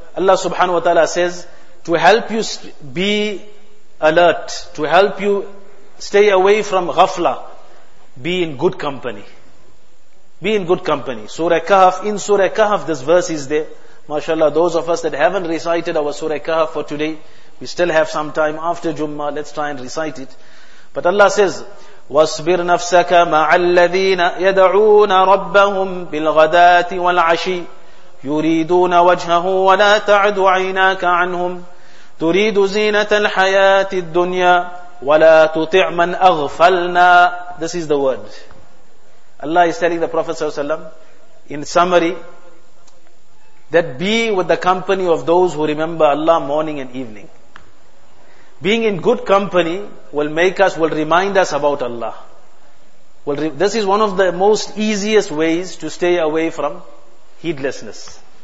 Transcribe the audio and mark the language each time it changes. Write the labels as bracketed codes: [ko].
[en] Allah subhanahu wa ta'ala says, to help you be alert, to help you stay away from ghafla, be in good company. Be in good company. Surah Kahf, in Surah Kahf this verse is there. MashaAllah, those of us that haven't recited our Surah Kahf for today, we still have some time after Jummah, let's try and recite it. But Allah says, [ar] وَاصْبِرْ نَفْسَكَ مَعَ الَّذِينَ يَدْعُونَ رَبَّهُمْ بِالْغَدَاتِ وَالْعَشِيِّ يُرِيدُونَ وَجْهَهُ وَلَا تَعْدُ عَيْنَاكَ عَنْهُمْ تُرِيدُ زِينَةَ الْحَيَاةِ الدُّنْيَا وَلَا تُطِعْ مَنْ أَغْفَلْنَا. [en] This is the word. Allah is telling the Prophet ﷺ, in summary, that be with the company of those who remember Allah morning and evening. Being in good company will make us, will remind us about Allah. This is one of the most easiest ways to stay away from heedlessness.